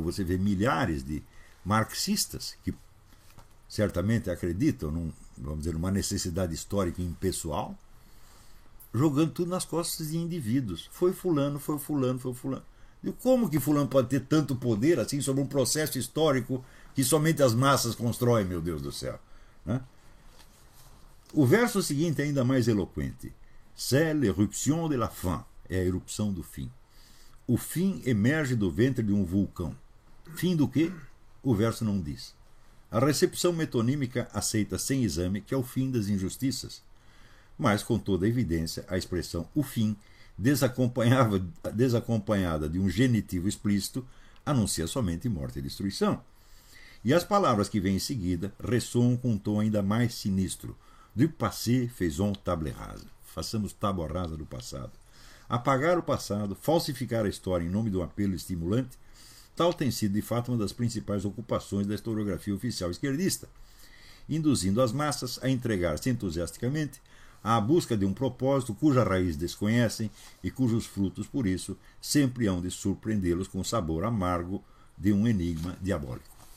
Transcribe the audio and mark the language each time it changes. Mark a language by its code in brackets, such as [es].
[pt] Você vê milhares de marxistas que certamente acreditam vamos dizer, numa necessidade histórica impessoal, jogando tudo nas costas de indivíduos. Foi fulano, foi fulano, foi fulano. E como que fulano pode ter tanto poder assim sobre um processo histórico que somente as massas constroem, meu Deus do céu? Né? O verso seguinte é ainda mais eloquente. [fr] C'est l'éruption de la faim. [pt] É a erupção do fim. O fim emerge do ventre de um vulcão. Fim do quê? O verso não diz. A recepção metonímica aceita sem exame que é o fim das injustiças. Mas, com toda a evidência, a expressão o fim, desacompanhada de um genitivo explícito, anuncia somente morte e destruição. E as palavras que vêm em seguida ressoam com um tom ainda mais sinistro. [fr] Du passé, faisons table rase. [pt] Façamos tabua rasa do passado. Apagar o passado, falsificar a história em nome de um apelo estimulante, tal tem sido, de fato, uma das principais ocupações da historiografia oficial esquerdista, induzindo as massas a entregar-se entusiasticamente à busca de um propósito cuja raiz desconhecem e cujos frutos, por isso, sempre hão de surpreendê-los com o sabor amargo de um enigma diabólico.